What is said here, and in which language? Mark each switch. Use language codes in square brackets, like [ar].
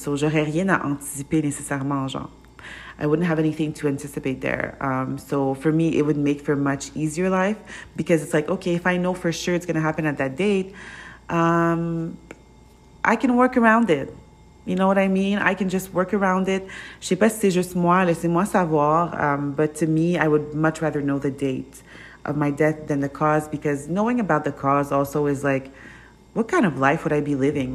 [fr] So j'aurais rien à anticiper nécessairement, genre. [en] I wouldn't have anything to anticipate there. So for me, it would make for a much easier life, because it's like, okay, if I know for sure it's going to happen at that date, I can work around it. You know what I mean? I can just work around it. [fr] Je sais pas si c'est juste moi, laissez-moi savoir. [en] But to me, I would much rather know the date of my death than the cause, because knowing about the cause also is like, what kind of life would I be living?